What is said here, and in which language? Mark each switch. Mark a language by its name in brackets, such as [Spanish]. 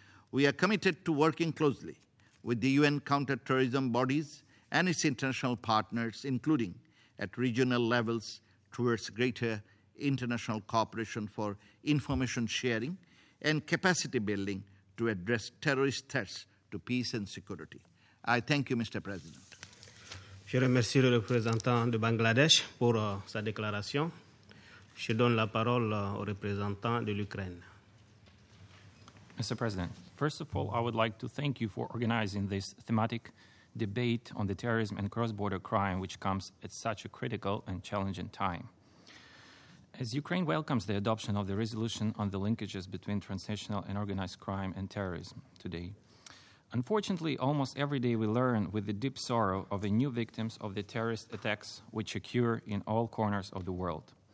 [English] We are committed to working closely with the UN counterterrorism bodies and its international partners, including at regional levels, towards greater international cooperation for information sharing and capacity building to address terrorist threats to peace and security. I thank you, Mr. President. [French] Je remercie le représentant de Bangladesh pour sa déclaration. Je donne la parole au représentant de l'Ukraine. [English] Mr. President, first of all, I would like to thank you for organizing this thematic debate on the terrorism and cross-border crime, which comes at such a critical and challenging time. As Ukraine welcomes the adoption of the resolution on the linkages between transnational and organized crime and terrorism today, unfortunately, almost every day we learn with the deep sorrow of the new victims of the terrorist attacks which occur in all corners of the world.